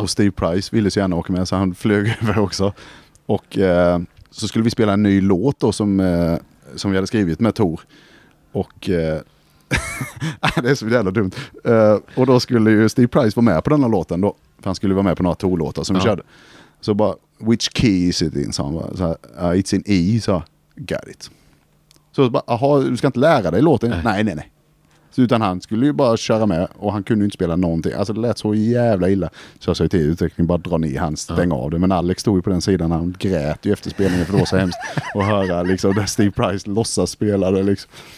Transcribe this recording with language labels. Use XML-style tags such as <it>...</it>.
<sv>Och Steve Price ville så gärna åka med, så han flög över också. Och så skulle vi spela en ny låt då som vi hade skrivit med Thor. Och det är så jävla dumt. Och då skulle ju Steve Price vara med på den här låten då. För han skulle vara med på några Thor-låtar som vi körde. Så bara,</sv> <en>which key is it in?</en> <sv>Så han bara,</sv> <en>it's in E.</en> <sv>Så</sv> <en>got it.</en> <sv>Så bara, aha, du ska inte lära dig låten? Nej. Så, utan han skulle ju bara köra med, och han kunde ju inte spela någonting. Alltså det lät så jävla illa. Så jag sa till utvecklingen, bara dra ner han, stäng av det. Men Alex stod ju på den sidan, han grät ju efter spelningen, för det var så hemskt att höra liksom där Steve Price låtsas spela det liksom.</sv>